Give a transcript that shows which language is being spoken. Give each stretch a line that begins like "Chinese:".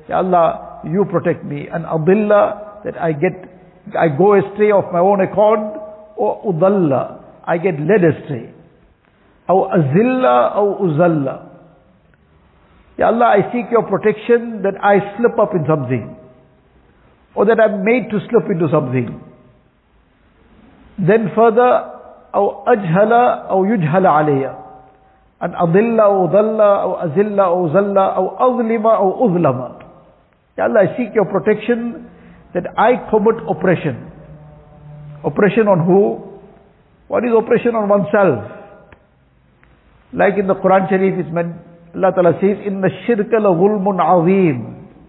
English: Ya Allah, you protect me. And adilla, that I go astray of my own accord, or udalla, I get led astray. Aw azilla, aw uzalla. Ya Allah, I seek your protection that I slip up in something, or that I'm made to slip into something. Then further,
Arabic: أو أجهل أو يجهل علي أن أضل أو ضل أو أزل أو زل أو أظلم أو أظلم.
English: Ya Allah, I seek your protection that I commit oppression. Oppression on who? What is oppression on oneself? Like in the Quran Sharif, it's meant, Allah Ta'ala says,
Arabic: إِنَّ الشِّرْكَ لَظُلْمٌ عَظِيمٌ.